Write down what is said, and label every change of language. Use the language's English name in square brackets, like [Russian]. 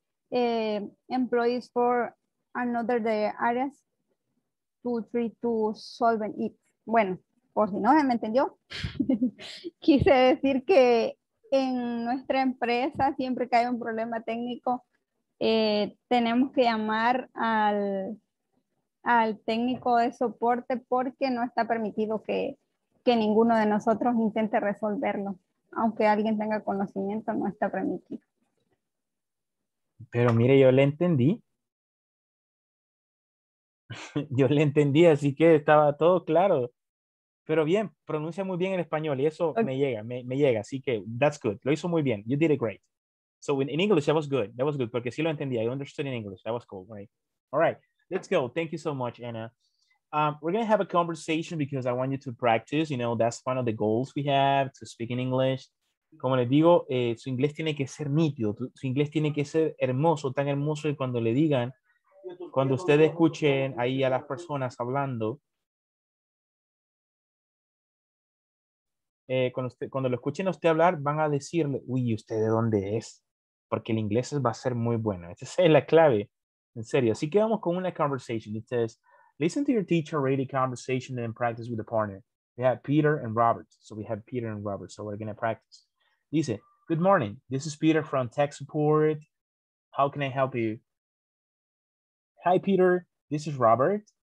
[English] It's not allow employees for another the areas to try to solve it. [Spanish] Bueno, por si no me entendió, quise decir que en nuestra empresa siempre que hay un problema técnico, tenemos que llamar al técnico de soporte porque no está permitido que ninguno de nosotros intente resolverlo. Aunque alguien tenga conocimiento, no está permitido. Pero mire, yo le entendí. Yo le entendí, así que estaba todo claro. Pero bien, pronuncia muy bien el español y eso okay. me llega. Así que [English] that's good. [Spanish] Lo hizo muy bien. [English] You did it great. So in English, that was good. That was good [Spanish] porque sí lo entendí. [English] I understood in English. That was cool. Right. All right. Let's go. Thank you so much, Anna. We're going to have a conversation because I want you to practice. You know, that's one of the goals we have, to speak in English. [Spanish] Como le digo, su inglés tiene que ser nítido. Su inglés tiene que ser hermoso, tan hermoso que cuando le digan, cuando ustedes escuchen ahí a las personas hablando, cuando lo escuchen a usted hablar, van a decirle, uy, ¿usted de dónde es? Porque el inglés va a ser muy bueno. Esa es la clave. En serio, así que vamos con una conversation. [English] It says, listen to your teacher ready conversation and practice with a partner. We have Peter and Robert. So we have Peter and Robert. So we're going to practice. Dice, good morning. This is Peter from Tech Support. How can I help you? Hi, Peter. This is Robert.